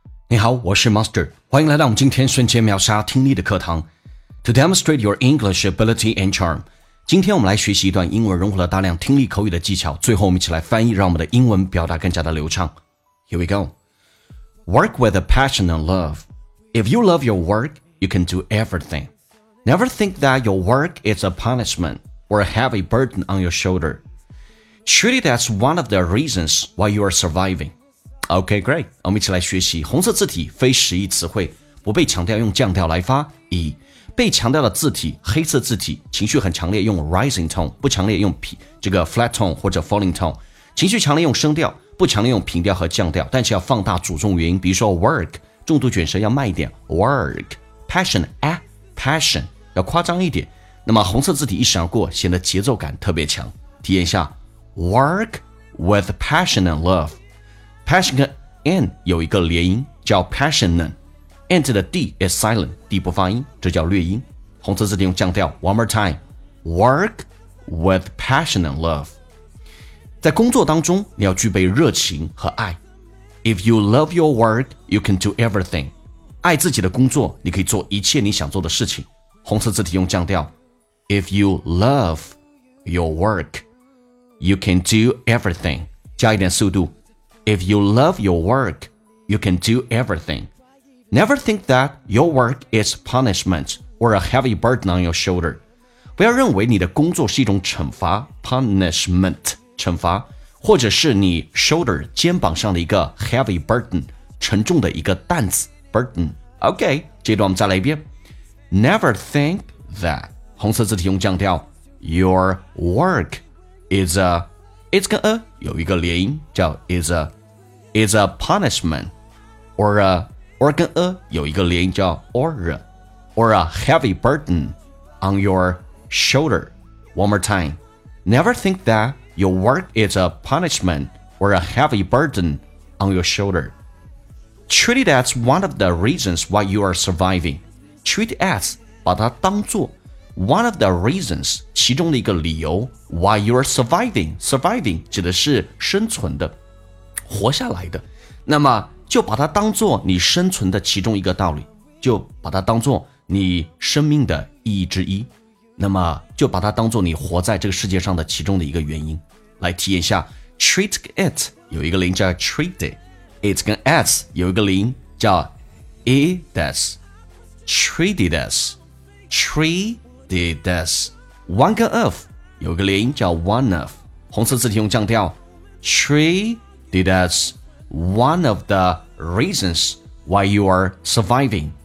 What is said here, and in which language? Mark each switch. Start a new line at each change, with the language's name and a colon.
Chinese: 你好，我是 Master， 欢迎来到我们今天瞬间秒杀听力的课堂。
English: To demonstrate your English ability and charm，
Chinese: 今天我们来学习一段英文融合了大量听力口语的技巧，最后我们一起来翻译，让我们的英文表达更加的流畅。
English: Here we go. Work with a passion and love. If you love your work, you can do everything. Never think that your work is a punishment or a heavy burden on your shoulder. Treat it as one of the reasons why you are surviving. OK, great.
Chinese: 我们一起来学习红色字体非实义词汇。不被强调用降调来发。一，被强调的字体黑色字体情绪很强烈用 rising tone, 不强烈用这个 flat tone 或者 falling tone, 情绪强烈用升调不强烈用平调和降调，但是要放大主重元音，比如说 work, 重度卷舌要慢一点 work, passion, passion, 要夸张一点，那么红色字体一闪而过显得节奏感特别强。体验一下
English: work with passion and love,
Chinese: Passion 跟 and 有一个连音叫 passionate，and 的 d is silent，d 不发音，这叫略音。红色字体用降调。
English: One more time，work with passion and love。
Chinese: 在工作当中，你要具备热情和爱。
English: If you love your work，you can do everything。
Chinese: 爱自己的工作，你可以做一切你想做的事情。红色字体用降调。
English: If you love your work，you can do everything。
Chinese: 加一点速度。
English: If you love your work, you can do everything. Never think that your work is punishment or a heavy burden on your shoulder.
Chinese: 不要认为你的工作是一种惩罚 punishment, 惩罚或者是你 shoulder, 肩膀上的一个 heavy burden, 沉重的一个担子 burden. OK, 这段我们再来一遍。
English: Never think that,
Chinese: 红色字体用降调
English: your work is a... It's
Chinese: 跟 a 有一个连音叫
English: is a punishment or 跟 a 有一个连音叫 or a heavy burden on your shoulder. One more time. Never think that your work is a punishment or a heavy burden on your shoulder. Treat it as one of the reasons why you are surviving.
Chinese: Treat as 把它当作One of the reasons, 其中的一个理由
English: why you are surviving,
Chinese: surviving 指的是生存的活下来的，那么就把它当作你生存的其中一个道理，就把它当作你生命的意义之一，那么就把它当作你活在这个世界上的其中的一个原因。来体验一下 treat it, 有一个零叫 treat it, it 跟 as 有一个零叫 it as,
English: treat it as, treat it as one 跟 of 有个连音叫 one of, 红色字体用降调 treat it as one of the reasons why you are surviving.